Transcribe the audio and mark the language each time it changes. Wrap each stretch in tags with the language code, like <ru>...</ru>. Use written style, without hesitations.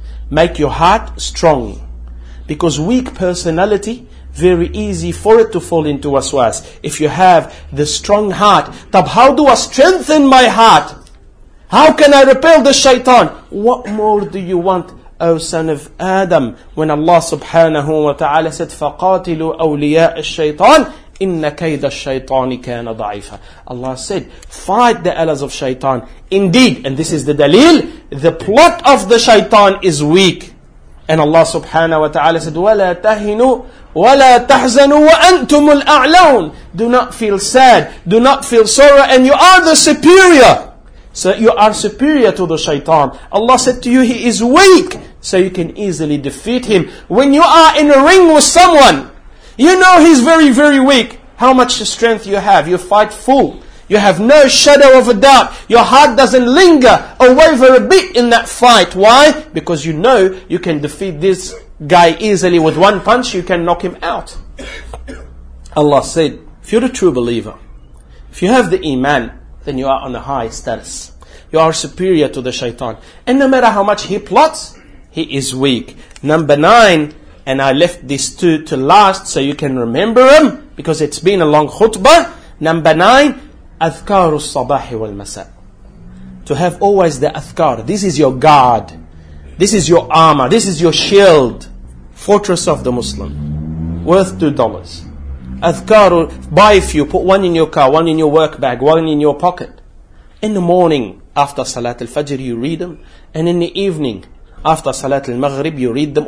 <en>Make your heart strong. Because weak personality, very easy for it to fall into waswas. If you have the strong heart, tab, how do I strengthen my heart? How can I repel the shaitan? What more do you want, O son of Adam? When Allah subhanahu wa ta'ala said,</en> <ar>فَقَاتِلُوا أَوْلِيَاءَ الشَّيْطَانِ إِنَّ كَيْدَ الشَّيْطَانِ كَانَ ضَعِيفًا.</ar> <en>Allah said, fight the allies of shaitan. Indeed, and this is the dalil, the plot of the shaitan is weak. And Allah subhanahu wa ta'ala said,</en> <ar>وَلَا تَهِنُوا وَلَا تَحْزَنُوا وَأَنْتُمُ الْأَعْلَوْنَ.</ar> <en>Do not feel sad, do not feel sorrow, and you are the superior. So you are superior to the shaitan. Allah said to you, he is weak, so you can easily defeat him. When you are in a ring with someone, you know he's very, very weak. How much strength you have. You fight full. You have no shadow of a doubt. Your heart doesn't linger or waver a bit in that fight. Why? Because you know you can defeat this guy easily with one punch. You can knock him out. Allah said, if you're a true believer, if you have the iman, then you are on a high status. You are superior to the shaitan. And no matter how much he plots, he is weak. Number nine, and I left these two to last so you can remember them, because it's been a long khutbah. Number nine,</en> <ar>أذكار الصباح والمساء.</ar> <en>To have always the أذكار. This is your guard. This is your armor. This is your shield. Fortress of the Muslim. Worth $2. أذكار, buy a few. Put one in your car, one in your work bag, one in your pocket. In the morning, after Salat al-Fajr, you read them. And in the evening, after Salat al-Maghrib, you read them.</en>